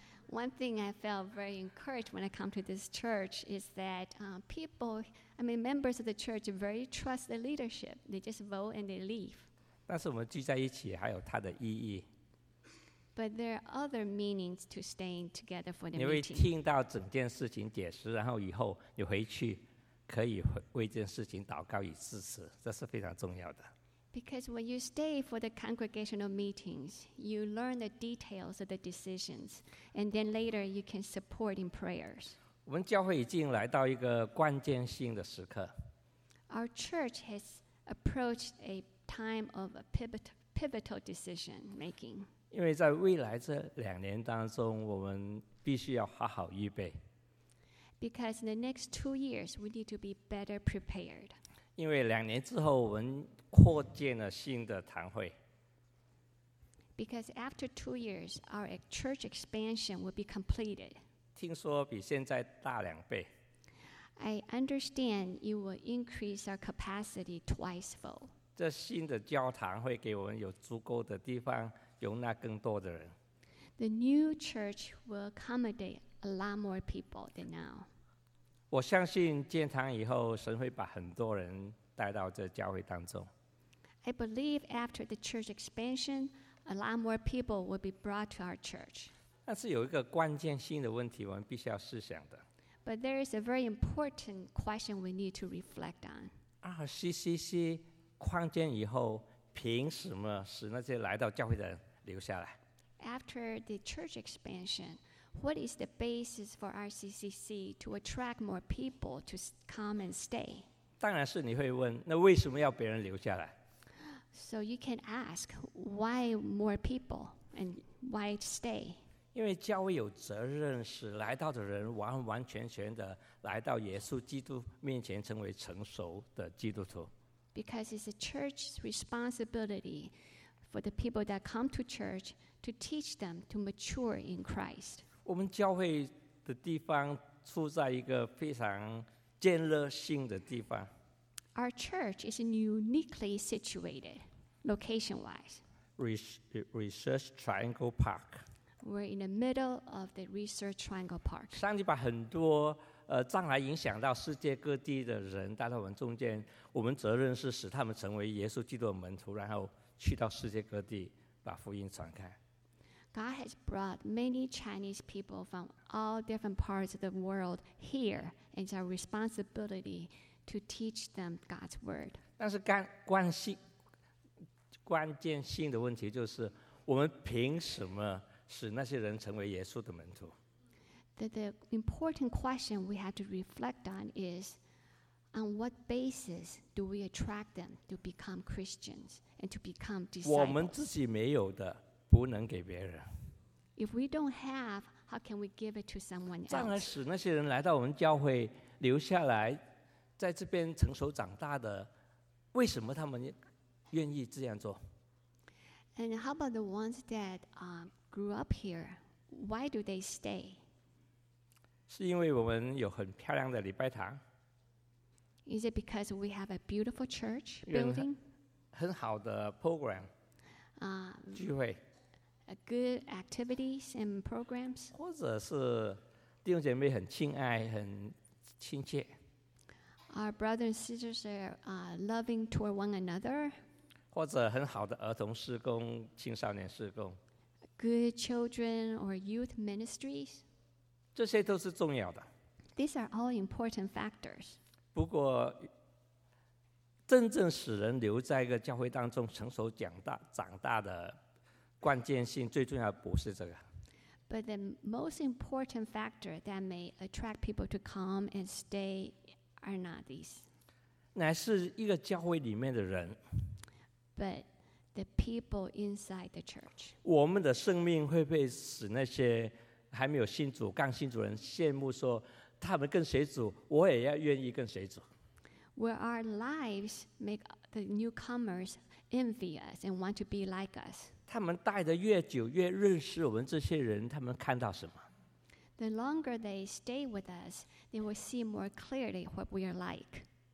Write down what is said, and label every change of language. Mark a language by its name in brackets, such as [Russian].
[English] One thing I felt very encouraged when I come to this church is that members of the church very trust the leadership. They just vote and they leave. [Chinese] 但是我们聚在一起还有它的意义。 [English] But there are other meanings to staying together for the [Chinese] 你会听到整件事情解释，然后以后你回去可以为这件事情祷告与支持，这是非常重要的。 [English] Because when you stay for the congregational meetings, you learn the details of the decisions, and then later you can support in prayers. [Chinese] 我们教会已经来到一个关键性的时刻。 [English] Our church has approached a time of a pivotal decision making. [Chinese] 因为在未来这两年当中，我们必须要好好预备。 [English] Because in the next 2 years, we need to be better prepared. [Chinese] 因为两年之后，我们扩建了新的堂会。 [English] Because after 2 years, our church expansion will be completed. [Chinese] 听说比现在大两倍。 [English] I understand you will increase our capacity twice fold. [Chinese] 这新的教堂会给我们有足够的地方容纳更多的人。 [English] The new church will accommodate a lot more people than now. [Chinese] 我相信建堂以后，神会把很多人带到这教会当中。 [English] I believe after the church expansion, a lot more people will be brought to our church. [Chinese] 但是有一个关键性的问题，我们必须要思想的。 [English] But there is a very important question we need to reflect on. [Chinese] RCCC 扩建以后，凭什么使那些来到教会的人留下来？ [English] After the church expansion, what is the basis for RCCC to attract more people to come and stay? [Chinese] 当然是你会问，那为什么要别人留下来？ [English] So you can ask why more people and why stay. [Chinese] 因为教会有责任使来到的人完完全全的来到耶稣基督面前成为成熟的基督徒。 [English] Because it's a church's responsibility for the people that come to church to teach them to mature in Christ. [Chinese] 我们教会的地方处在一个非常建立性的地方。 [English] Our church is uniquely situated, location-wise. Research Triangle Park. We're in the middle of the Research Triangle Park. [Chinese] 上帝把很多将来影响到世界各地的人带到我们中间，我们责任是使他们成为耶稣基督的门徒，然后去到世界各地把福音传开。 [English] God has brought many Chinese people from all different parts of the world here, and it's our responsibility. To teach them God's word. [Chinese] 但是关键性的问题就是，我们凭什么使那些人成为耶稣的门徒？ [English] The important question we have to reflect on is, on what basis do we attract them to become Christians and to become disciples? [Chinese] 我们自己没有的，不能给别人。 [English] If we don't have, how can we give it to someone else? [Chinese] 将来使那些人来到我们教会留下来。在这边成熟长大的，为什么他们愿意这样做 [English] ？And how about the ones that grew up here? Why do they stay? [Chinese] 是因为我们有很漂亮的礼拜堂 [English] ？Is it because we have a beautiful church building? [Chinese] 很好的 program 啊，聚会 [English] ，a good activities and programs， [Chinese] 或者是弟兄姐妹很亲爱、很亲切。 [English] Our brothers and sisters are loving toward one another. [Chinese] 或者很好的儿童事工、青少年事工。 [English] Good children or youth ministries. [Chinese] 这些都是重要的。 [English] These are all important factors. [Chinese] 不过，真正使人留在一个教会当中成熟长大、长大的关键性，最重要不是这个。 [English] But the most important factor that may attract people to come and stay are not these. [Chinese] 乃是一个教会里面的人。 [English] But the people inside the church. [Chinese] 我们的生命会被使那些还没有信主、刚信主的人羡慕说，他们跟谁主，我也要愿意跟谁主。 [English] Where our lives make the newcomers envy us and want to be like us. [Chinese] 他们待得越久，越认识我们这些人，他们看到什么。 [English] The longer they stay with us, they will see more clearly what we are like.